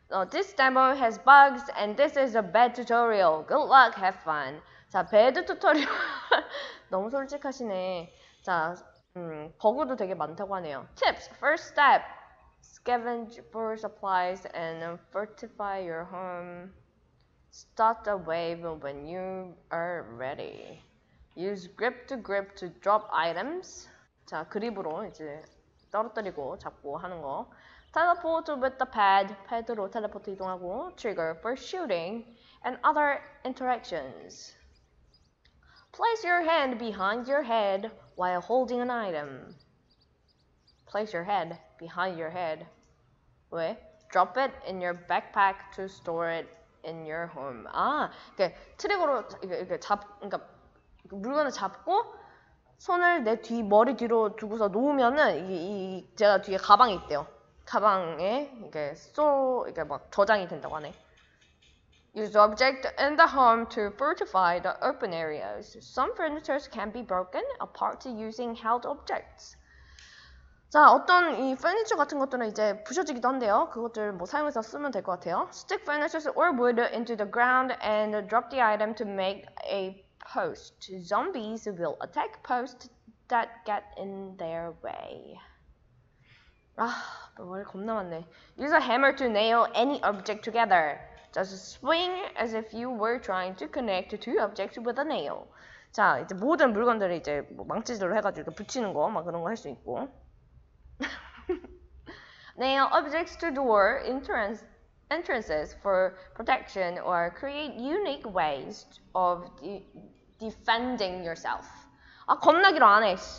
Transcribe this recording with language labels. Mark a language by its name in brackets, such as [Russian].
[English] This demo has bugs and this is a bad tutorial. Good luck, have fun. [Korean] 자, 배드 튜토리얼. 너무 솔직하시네. 자, 버그도 되게 많다고 하네요. [English] Tips. First step. Scavenge for supplies and fortify your home. Start a wave when you are ready. Use grip to drop items. [Korean] 자, 그립으로 이제 떨어뜨리고 잡고 하는 거. [English] Teleport with the pad. [Korean] 패드로 텔레포트 이동하고. [English] Trigger for shooting and other interactions. Place your hand behind your head while holding an item. Place your head behind your head. [Korean] 왜? [English] Drop it in your backpack to store it in your home. [Korean] 아, 이렇게 트릭으로 이렇게 잡, 그러니까 물건을 잡고 손을 내 뒤, 머리 뒤로 두고서 놓으면은 제가 뒤에 가방이 있대요. 가방에 이렇게 쏘, 이렇게 막 저장이 된다고 하네. [English] Use object in the home to fortify the open areas. Some furniture can be broken apart using held objects. [Korean] 자, 어떤 이 furniture 같은 것들은 이제 부셔지기도 한데요. 그것들 뭐 사용해서 쓰면 될것 같아요. [English] Stick furniture or wood into the ground and drop the item to make a post. Zombies will attack posts that get in their way. [Korean] 아, 머리 겁나 많네. [English] Use a hammer to nail any object together. Just swing as if you were trying to connect two objects with a nail. [Korean] 자, 이제 모든 물건들을 이제 뭐 망치질로 해가지고 이렇게 붙이는 거, 막 그런 거할수 있고. [English] Nail objects to door entrances for protection or create unique ways of defending yourself. [Korean] 아, 겁나기로 안 해.